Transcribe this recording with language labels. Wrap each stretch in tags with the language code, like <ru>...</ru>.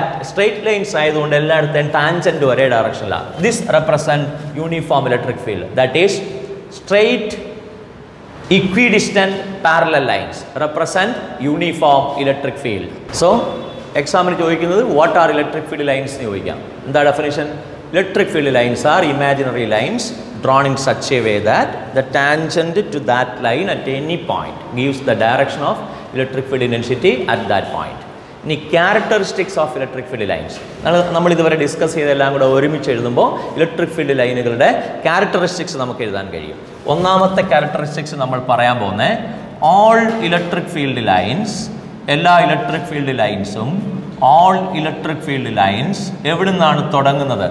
<ml>Straight lines ആയതുകൊണ്ട് എല്ലായിടത്തെയും tangent ഒരേ ഡയറക്ഷനിലാണ്.</ml> <en>This represent uniform electric field, that is straight equidistant parallel lines represent uniform electric field.</en> <ml>So എക്സാമിന് ചോദിക്കുന്നത്</ml> <en>what are electric field lines</en> <ml>എന്ന് ചോദിക്കാം. എന്താ definition?</ml> <en>Electric field lines are imaginary lines drawn in such a way that the tangent to that line at any point gives the direction of electric field intensity at that point.</en> <ml>ഇനി</ml> <en>Characteristics of electric field lines.</en> <ml>നമ്മൾ ഇതുവരെ discuss ചെയ്തെല്ലാം കൂടെ ഒരുമിച്ച് എഴുതുമ്പോൾ electric field ലൈനുകളുടെ characteristics നമുക്ക് എഴുതാൻ കഴിയും. ഒന്നാമത്തെ ക്യാരക്ടറിസ്റ്റിക്സ് നമ്മൾ പറയാൻ പോകുന്നത്,</ml> <en>all electric field lines,</en> <ml>എല്ലാ electric field ലൈൻസും, all electric field lines എവിടെ നിന്നാണ് തുടങ്ങുന്നത്?</ml>